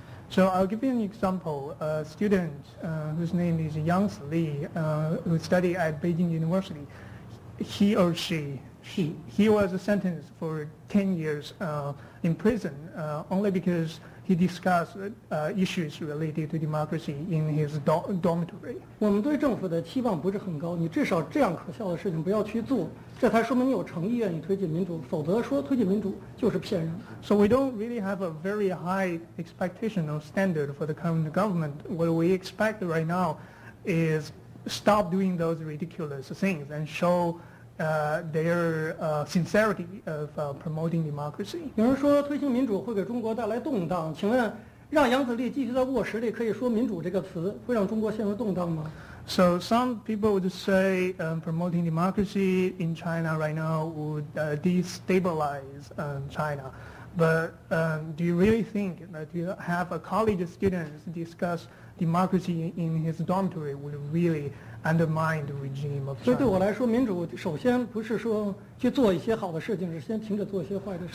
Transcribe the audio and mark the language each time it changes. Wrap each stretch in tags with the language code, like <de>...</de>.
<en>So I'll give you an example. A student whose name is Yang Si Li, who studied at Beijing University, he was sentenced for 10 years in prison only because he discussed issues related to democracy in his dormitory.</en> <zh>我们对政府的期望不是很高，你至少这样可笑的事情不要去做，这才说明你有诚意愿意推进民主，否则说推进民主就是骗人。</zh> <en>So we don't really have a very high expectation or standard for the current government. What we expect right now is stop doing those ridiculous things and show their sincerity of promoting democracy.</en> <zh>有人说推行民主会给中国带来动荡，请问让杨子立继续在卧室里可以说民主这个词，会让中国陷入动荡吗？</zh> <en>So some people would say promoting democracy in China right now would destabilize China. But do you really think that to have a college student discuss democracy in his dormitory would really undermine the regime of China?</en> <zh>对我来说, 民主首先不是说去做一些好的事情，是先停止做一些坏的事。</zh>